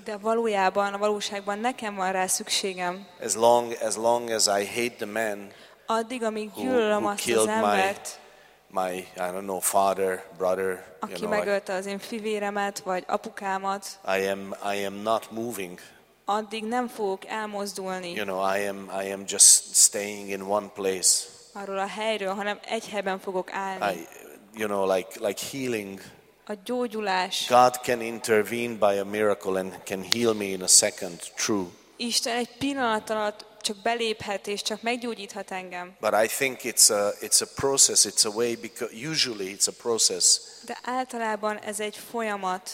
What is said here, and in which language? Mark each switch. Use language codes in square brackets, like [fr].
[hu] De valójában, a valóságban nekem van rá szükségem. [en] As long as I hate the man. [hu] Addig, amíg gyűlölöm azt az embert. [en] My, I don't know, father, brother. [hu] Aki [en] you know, [hu] megölte az én fivéremet vagy apukámat. [en] I am not moving. [hu] Addig nem fogok elmozdulni. [en] You know, I am just staying in one place. [hu] Arról a helyről, hanem egy helyben fogok állni. [en] I, you know, like healing. [hu] A gyógyulás. [en] God can intervene by a miracle and can heal me in a second. True. [hu] Isten egy pillanat alatt csak beléphet és csak meggyógyíthat engem. [en] But I think it's a process, it's a way, because usually it's a process. [hu] De általában ez egy folyamat.